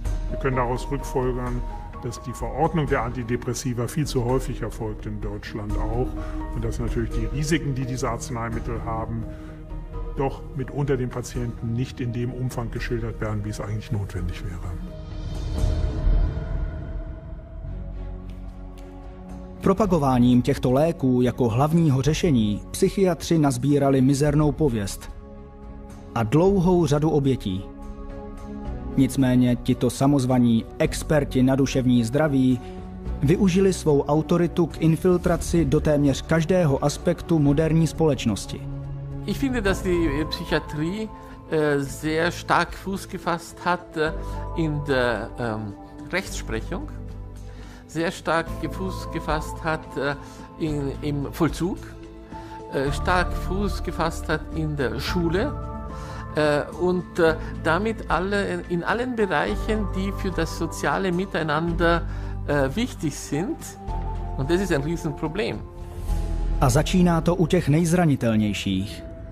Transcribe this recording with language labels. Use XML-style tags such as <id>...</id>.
<de>Wir können daraus rückfolgern, dass die Verordnung der Antidepressiva viel zu häufig erfolgt in Deutschland auch und dass natürlich die Risiken, die diese Arzneimittel haben, doch mitunter den Patienten nicht in dem Umfang geschildert werden, wie es eigentlich notwendig wäre.</de> <cs>Propagováním těchto léků jako hlavního řešení psychiatři nazbírali mizernou pověst a dlouhou řadu obětí. Nicméně tito samozvaní experti na duševní zdraví využili svou autoritu k infiltraci do téměř každého aspektu moderní společnosti.</cs> <de>Ich finde, dass die Psychiatrie sehr stark Fuß gefasst hat in der Rechtsprechung, sehr stark Fuß gefasst hat im Vollzug. stark Fuß gefasst hat in der Schule und damit alle in allen Bereichen, die für das soziale Miteinander wichtig sind. Und das ist ein Riesenproblem.</de> <cs>A začíná to u těch nejzranitelnějších.</cs>